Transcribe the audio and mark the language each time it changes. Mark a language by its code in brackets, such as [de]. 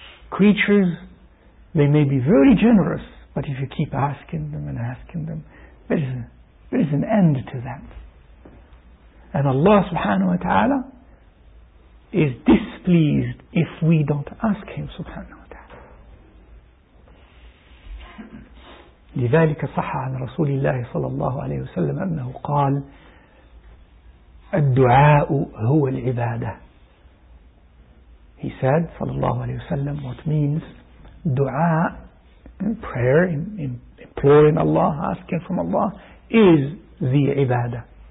[en] Creatures, they may be very generous, but if you keep asking them and asking them, there is an end to that. And Allah subhanahu wa ta'ala is displeased if we don't ask him subhanahu wa ta'ala. [ar] لذلك صح عن رسول الله صلى الله عليه وسلم أنه قال الدعاء هو العبادة. [en] He said صلى الله عليه وسلم, what means دعاء, prayer, imploring Allah, asking from Allah, is the عبادة.